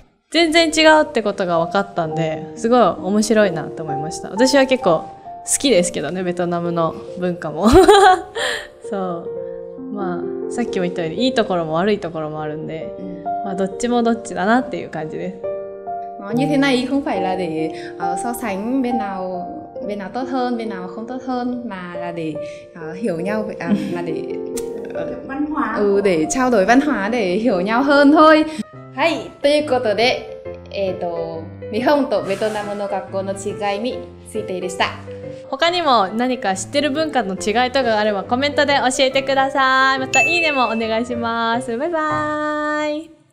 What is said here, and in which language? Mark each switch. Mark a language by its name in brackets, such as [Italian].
[Japanese] 全然違うってことが分かったんで、すごい面白いなと思いました。私は結構好きですけどね、ベトナムの文化も。そう。まあ、さっきも言ったように、いいところも悪いところもあるんで、まあ、どっちもどっちだなっていう感じです。 [Vietnamese] như thế này không phải là để so sánh bên nào tốt hơn, bên nào không tốt hơn, mà là để hiểu nhau, là để văn hóa. Để trao đổi văn hóa để hiểu nhau hơn thôi. [Japanese] はい、ということで、日本とベトナムの学校の違いについてでした。他にも何か知ってる文化の違いとかがあればコメントで教えてください。またいいねもお願いします。バイバーイ。